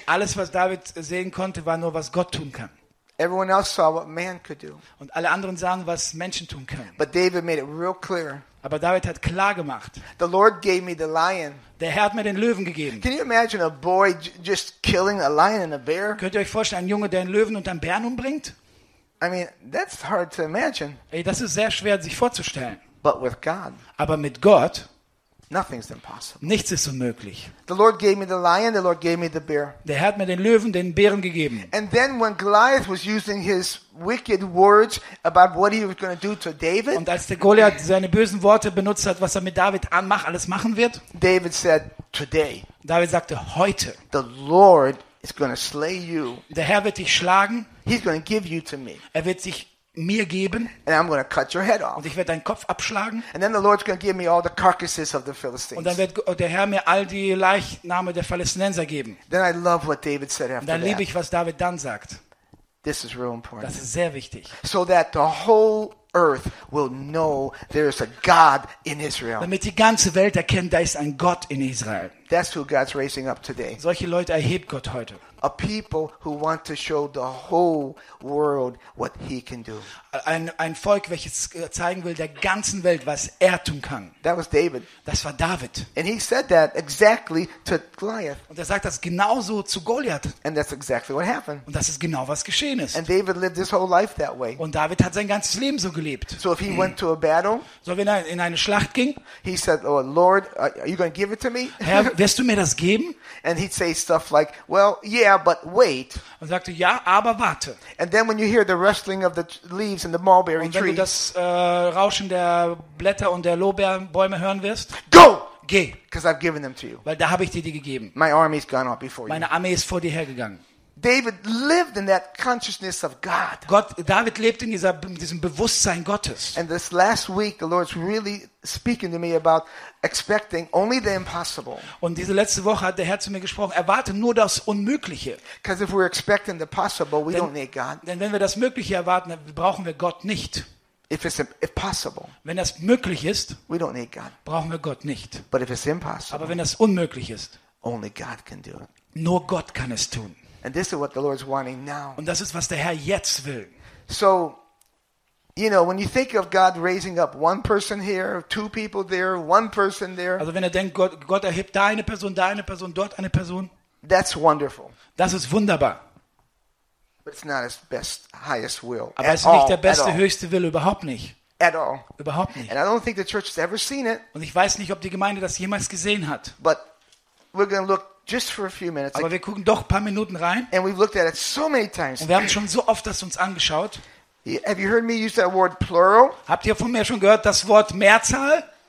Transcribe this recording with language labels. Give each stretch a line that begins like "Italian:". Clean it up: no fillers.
German: Alles, was David sehen konnte, war nur, was Gott tun kann.
English: Everyone else saw what man could do.
German: Und alle anderen sahen, was Menschen tun können.
English: But David made it real clear.
German: Aber David hat klar gemacht.
English: The Lord gave me the lion.
German: Der Herr hat mir den Löwen gegeben.
English: Can you imagine a boy just killing a lion and a bear?
German: Könnt ihr euch vorstellen, ein Junge, der einen Löwen und einen Bären umbringt?
English: I mean, that's hard to imagine.
German: Ey, das ist sehr schwer sich vorzustellen.
English: But with God.
German: Aber mit Gott.
English: Nothing's impossible.
German: Nichts ist unmöglich.
English: The Lord gave me the lion, the Lord gave me the bear.
German: Der Herr hat mir den Löwen, den Bären gegeben.
English: And then when Goliath was using his wicked words about what he was going to do to David.
German: Und als der Goliath seine bösen Worte benutzt hat, was er mit David anmacht, alles machen wird.
English: David said today.
German: David sagte heute.
English: The Lord is going to slay you.
German: Der Herr wird dich schlagen.
English: He's going to give you to me.
German: Er wird dich mir geben.
English: And I'm going to cut your head off.
German: Und ich werde deinen Kopf abschlagen.
English: And then the Lord's going to give me all the carcasses of the Philistines.
German: Und dann wird der Herr mir all die Leichname der Philistinenser geben.
English: Then I love what David said after that.
German: Dann liebe ich, was David dann sagt.
English: This is real important.
German: Das ist sehr wichtig.
English: So that the whole earth will know there is a God in Israel.
German: Damit die ganze Welt erkennt, da ist ein Gott in Israel.
English: That's who God's raising up today.
German: Solche Leute erhebt Gott heute.
English: A people who want to show the whole world what he can do.
German: Ein Volk, welches zeigen will der ganzen Welt, was er tun kann.
English: That was David.
German: Das war David.
English: And he said that exactly to Goliath.
German: Und er sagt das genauso zu Goliath.
English: And that's exactly what happened.
German: Und das ist genau was geschehen ist.
English: And David lived his whole life that way.
German: Und David hat sein ganzes Leben so gelebt.
English: So if he went to a battle,
German: so wenn er in eine Schlacht ging,
English: he said, oh Lord, are you going to give it to me?
German: Wirst du mir das geben?
English: And he'd say stuff like, well, yeah, but wait.
German: Und sagte, ja, aber warte.
English: And then when you hear the rustling of the leaves and the mulberry trees.
German: Und wenn du das Rauschen der Blätter und der Lorbeerbäume hören wirst.
English: Go!
German: Geh!
English: Because I've given them to you.
German: Weil da habe ich dir die gegeben.
English: My army's gone out before
German: Meine
English: you.
German: Armee ist vor dir hergegangen.
English: David lived in that consciousness of God.
German: David lebt in diesem Bewusstsein Gottes.
English: And this last week, the Lord's really speaking to me about expecting only the impossible.
German: Und diese letzte Woche hat der Herr zu mir gesprochen: Erwarte nur das Unmögliche.
English: Because if we're expecting the possible, we don't need God.
German: Denn wenn wir das Mögliche erwarten, dann brauchen wir Gott nicht.
English: If it's impossible,
German: wenn das möglich ist,
English: we don't need God.
German: Brauchen wir Gott nicht.
English: But if it's impossible,
German: aber wenn das unmöglich ist,
English: only God can do it.
German: Nur Gott kann es tun.
English: And this is what the Lord's wanting now.
German: Und das ist, was der Herr jetzt will.
English: So, you know, when you think of God raising up one person here, two people there, one person there.
German: Also wenn er denkt, Gott erhebt da eine Person, dort eine Person.
English: That's wonderful.
German: Das ist wunderbar.
English: But it's not his best, highest will.
German: Aber es ist nicht der beste, höchste Wille, überhaupt nicht.
English: At all.
German: Überhaupt nicht.
English: And I don't think the church has ever seen it.
German: Und ich weiß nicht, ob die Gemeinde das jemals gesehen hat.
English: But we're going to look just for a few minutes.
German: Aber wir gucken doch ein paar Minuten rein.
English: And we've looked at it so many times.
German: Und wir haben schon so oft das uns angeschaut.
English: Have you heard me use that word plural?
German: Habt ihr von mir schon gehört das Wort Mehrzahl?